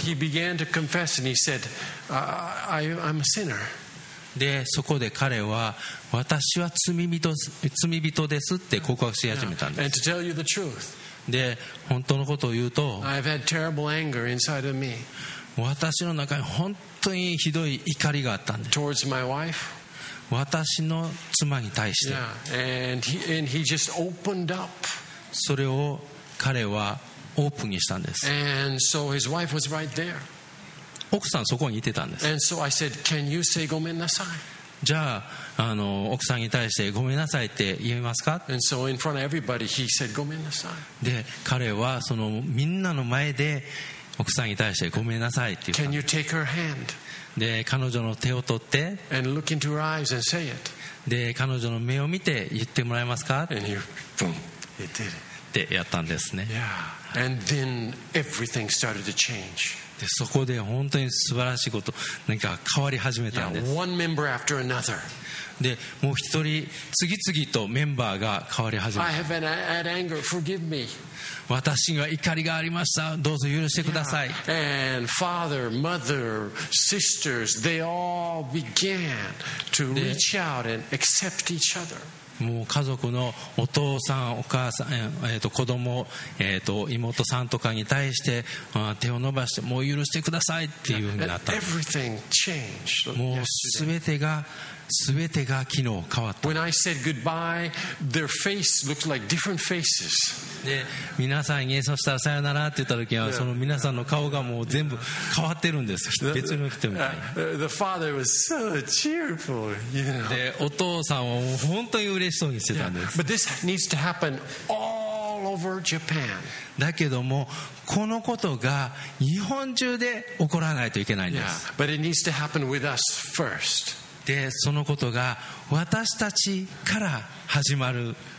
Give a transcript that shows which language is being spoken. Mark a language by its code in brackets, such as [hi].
[en] But he began to confess and he said, "I'm a sinner." [ja] で、そこで彼は私は罪人ですって告白し始めたんです。 [en] And to tell you the truth, [ja] で、本当のことを言うと、 [en] I've had terrible anger inside of me. [ja] 私の中に本当にひどい怒りがあったんです。 [en] Towards my wife. [ja] 私の妻に対して、 [en] yeah. and he just opened up. [ja] それを彼はオープンにしたんです。 [en] And so his wife was right there. [ja] 奥さんそこにいてたんです。 [en] And so I said, "Can you say [ja] ごめんなさい?" じゃあ、あの奥さんに対してごめんなさいって言いますか？ [en] And so in front of everybody, he said, [ja] ごめんなさい。で、彼はそのみんなの前で奥さんに対してごめんなさいって言った。 [en] Can you take her hand? [ja] で、彼女の手を取って。 [en] And look into her eyes and say it. [ja] で、彼女の目を見て言ってもらえますか？ [en] And you, boom, he did it. [ja] ってやったんですね。 Yeah. [en] And then everything started to change. [ja] そこで本当に素晴らしいこと何か変わり始めたんです。 [en] Yeah, one member after another. [ja] でもう一人次々とメンバーが変わり始めた。 [en] I have had anger. Forgive me. [ja] 私には怒りがありました、どうぞ許してください。 Yeah. [en] And father, mother, sisters, they all began to reach out and accept each other. [ja] もう家族のお父さんお母さん、子供、妹さんとかに対して手を伸ばしてもう許してくださいっていうふうになった。 [en] Everything changed. [ja] もう全てが昨日変わった。 [en] When I said goodbye, their face looked like different faces. [ja] で皆さんにそしたらさよならって言った時はその皆さんの顔がもう全部変わってるんです。別の人みたいに。 [en] The father was so cheerful, you know. [ja] でお父さんはもう本当に嬉しそうにしてたんです。 [en] But this needs to happen all over Japan. [ja] だけどもこのことが日本中で起こらないといけないんです。 [en] Yeah, but it needs to happen with us first. [ja] でそのことが私たちから始まる